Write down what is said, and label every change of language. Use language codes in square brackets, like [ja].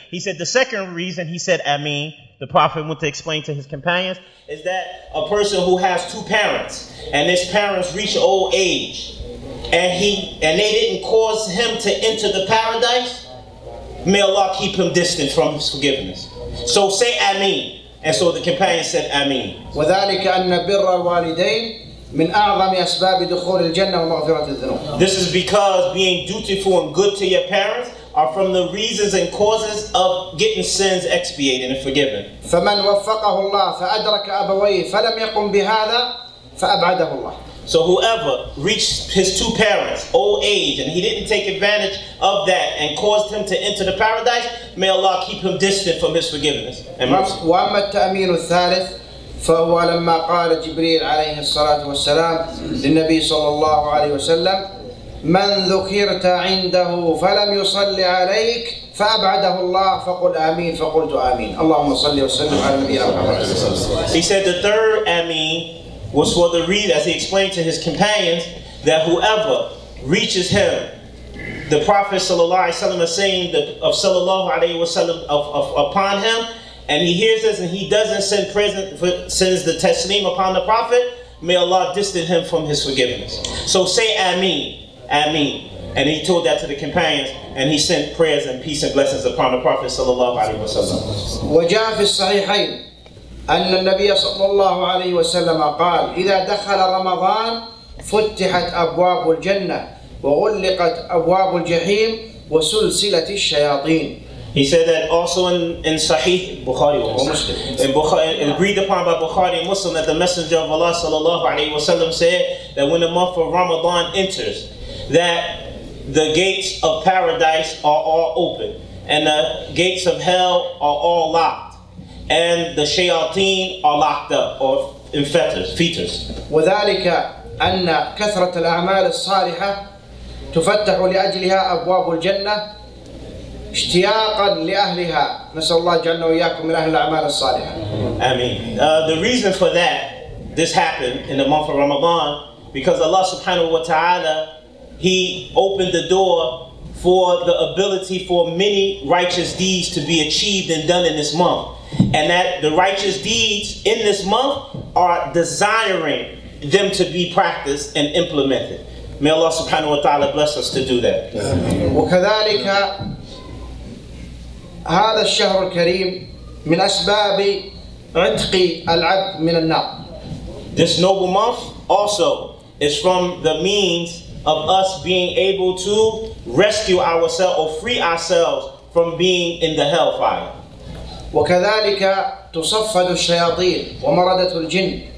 [en] He said the second reason he said Ameen, the Prophet went to explain to his companions, is that a person who has two parents, and his parents reach old age, and they didn't cause him to enter the paradise, may Allah keep him distant from his forgiveness. So say Ameen. And so the companion said Ameen. [ar] وَذَلِكَ أَنَّ بِرَّ الْوَالِدَيْنِ من أعظم أسباب دخول الجنة ومغفرة الذنوب. [en] This is because being dutiful and good to your parents are from the reasons and causes of getting sins expiated and forgiven. [ar] فمن وفقه الله فأدرك أبويه فلم يقم بهذا فأبعده الله. [en] So whoever reached his two parents old age and he didn't take advantage of that and caused him to enter the paradise, may Allah keep him distant from his forgiveness and mercy. [ar] وأما التأمين الثالث فهو لما قال جبريل عليه الصلاة والسلام للنبي صلى الله عليه وسلم من ذكرت عنده فلم يصلي عليك فأبعده الله فقل آمين فقلت آمين اللهم صل وسلم على النبي محمد. [en] He said the third Ameen was for the reason, as he explained to his companions, that whoever reaches him, the Prophet صلى الله عليه وسلم is saying of صلى الله عليه وسلم of upon him, and he hears this and he doesn't send present for, sends the taslim upon the Prophet, may Allah distance him from his forgiveness. So say Ameen, Ameen. And he told that to the companions and he sent prayers and peace and blessings upon the Prophet sallallahu alaihi wasallam. [ar] وجاء في الصحيحين أن النبي صلى الله عليه وسلم قال إذا دخل رمضان فتحت أبواب الجنة وغلقت أبواب الجحيم وسلسلة الشياطين. [en] He said that also in Sahih Bukhari or Muslim, agreed upon by Bukhari and Muslim, that the Messenger of Allah sallallahu alaihi wasallam said that when the month of Ramadan enters, that the gates of paradise are all open and the gates of hell are all locked and the shayateen are locked up or in fetters. [ar] وذلك أن كثرة الأعمال الصالحة تفتح لأجلها أبواب الجنة اشتياقا لأهلها. نسأل الله جعلنا وإياكم من أهل الأعمال الصالحة. آمين. [en] The reason for that, this happened in the month of Ramadan, because Allah subhanahu wa ta'ala, He opened the door for the ability for many righteous deeds to be achieved and done in this month. And that the righteous deeds in this month are desiring them to be practiced and implemented. May Allah subhanahu wa ta'ala bless us to do that. [ar] وكذلك هذا الشهر الكريم من أسباب عتق العبد من النار. [en] This noble month also is from the means of us being able to rescue ourselves or free ourselves from being in the hellfire. [ar] وكذلك تصفد الشياطين ومردة الجن.